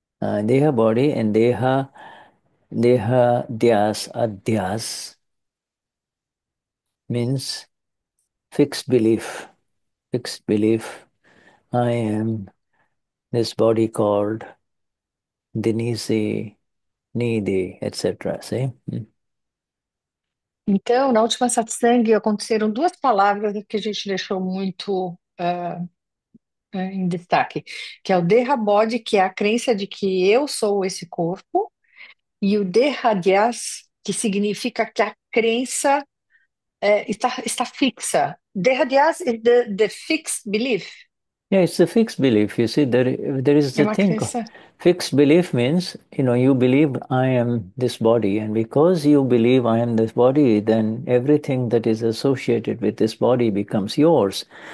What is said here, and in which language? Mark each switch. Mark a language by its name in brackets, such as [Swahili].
[English] Deha body and Deha Dhyas, Adhyas means fixed belief, I am this body called Dinisi, Nidhi, etc. See? [Portuguese] Então, na última satsang, aconteceram duas palavras que a gente deixou muito em destaque, que é o Deha Bodhi, que é a crença de que eu sou esse corpo, e o Deha Dhyas, que significa que a crença está fixa. [English] Deha Dhyas is the fixed belief. Yeah, it's a fixed belief. You see, there is the [Portuguese] uma [English] thing. [Portuguese] crença. [English] Fixed belief means, you believe I am this body, and because you believe I am this body, then everything that is associated with this body becomes yours.